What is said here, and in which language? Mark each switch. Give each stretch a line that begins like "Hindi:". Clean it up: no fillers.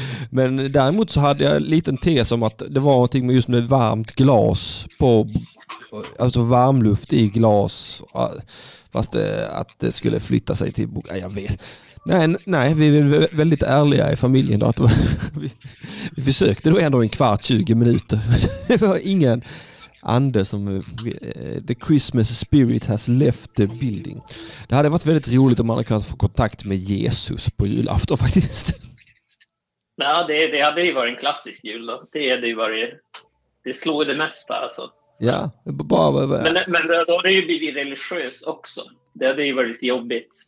Swedish: Men däremot så hade jag en liten tes om att det var någonting med just med varmt glas på, alltså varmluft i glas, fast att det skulle flytta sig till boken. Jag vet. Nej, vi är väldigt ärliga i familjen då. Vi försökte då ändå en kvart, 20 minuter. Det var ingen ande som...
English: The Christmas spirit has left the building.
Swedish: Det hade varit väldigt roligt om man hade kunnat få kontakt med Jesus på julafton faktiskt. Ja, det hade ju varit en klassisk jul då. Det hade ju varit... Det slår det mesta alltså. Ja, bara. Men då hade det ju blivit religiös också. Det hade ju varit jobbigt.